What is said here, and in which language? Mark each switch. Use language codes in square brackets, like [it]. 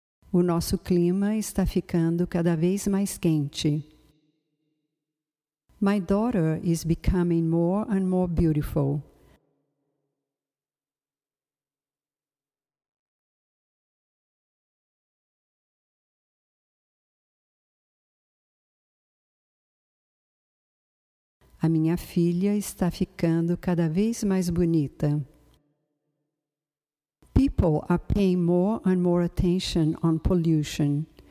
[pt] O nosso clima está ficando cada vez mais quente. [en] My daughter is becoming more and more beautiful. [pt] A minha filha está ficando cada vez mais bonita. [en] People are paying more and more attention on pollution.